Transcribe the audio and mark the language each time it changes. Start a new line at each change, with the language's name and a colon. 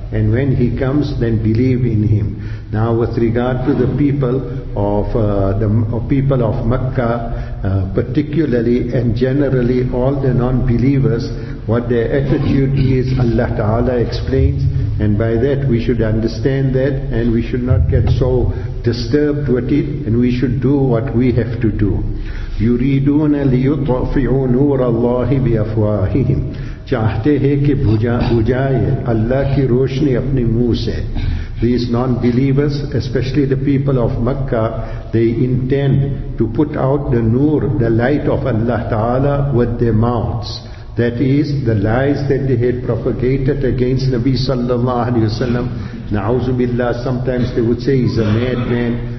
English: And when he comes, then believe in him. Now with regard to the people of people of Mecca, particularly and generally all the non-believers, what their attitude is, Allah Ta'ala explains. And by that we should understand that, and we should not get so disturbed with it, and we should do what we have to do.
Arabic: يُرِيدُونَ لِيُطْفِعُوا نُورَ اللَّهِ بِأَفْوَاهِهِمْ.
Urdu: چاہتے ہیں کہ بجائے اللہ کی روشنی اپنے منہ سے.
English: These non-believers, especially the people of Mecca, they intend to put out the nur, the light of Allah Ta'ala, with their mouths. That is, the lies that they had propagated against Nabi sallallahu alayhi wa sallam. Na'uzu billah, sometimes they would say he's a madman.